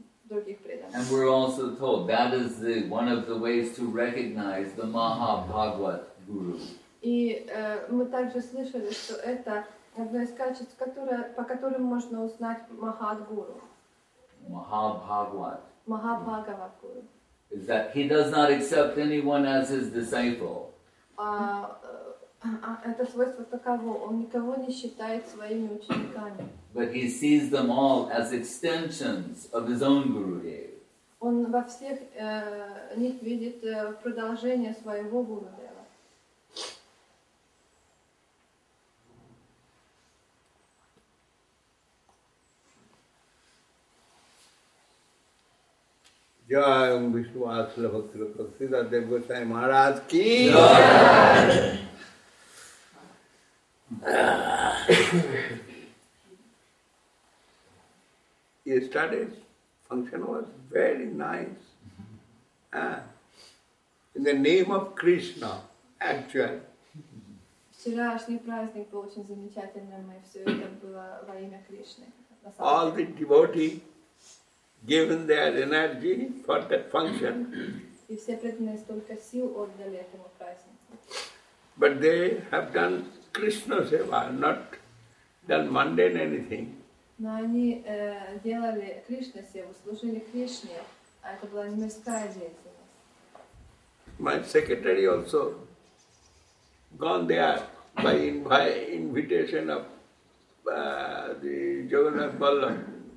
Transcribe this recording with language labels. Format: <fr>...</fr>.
<en>And we're also told that is the one of the ways to recognize the Mahabhagwat Guru.</en> <ru>И мы также слышали, что это одно из качеств, которое по которым можно узнать Махадгуру.</ru> <en>Mahabhagwat. Mahabhagwat Guru. Is that he does not accept anyone as his disciple?</en> <ru>Это свойство таково, он никого не считает своими учениками.</ru> <en>But he sees them all as extensions of his own Gurudev.</en> <ru>Он во всех них видит продолжение своего Гурудева.</ru> <en>Jai Om Vishnu Vasudeva Bhaktira Prasida Dev Gosai Maharaj Ki Yesterday's function was very nice. In the name of Krishna, actually.</en> <ru>Вчерашний праздник был очень замечательным, и все это было во имя Кришны.</ru> <en>All the devotees given their energy for that function.</en> <ru>И все преданные столько сил отдали этому празднику.</ru> <en>But they have done Krishna seva, not done mundane anything.</en> <ru>Но они делали Кришна севу, служили Кришне, а это была не мирская деятельность.</ru> <en>My secretary also gone there by invitation of the Jagannath Ballam.</en>